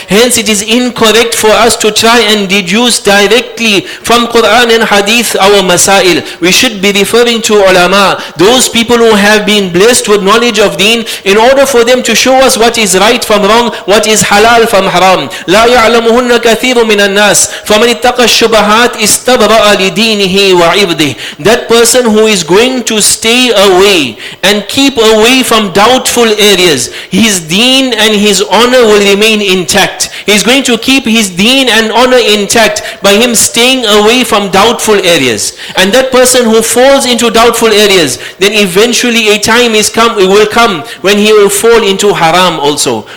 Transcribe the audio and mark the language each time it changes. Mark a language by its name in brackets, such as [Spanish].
[English] Hence it is incorrect for us to try and deduce directly from Quran and hadith our masail. We should be referring to ulama, those people who have been blessed with knowledge of deen, in order for them to show us what is right from wrong, what is halal from haram. [Arabic] لا يعلمهن كثير من الناس فمن اتقى الشبهات استبرأ لدينه وعبده. [English] That person who is going to stay away and keep away from doubtful areas, his deen and his honor will remain intact. He's going to keep his deen and honor intact by him staying away from doubtful areas. And that person who falls into doubtful areas, then eventually a time is come, it will come when he will fall into haram also.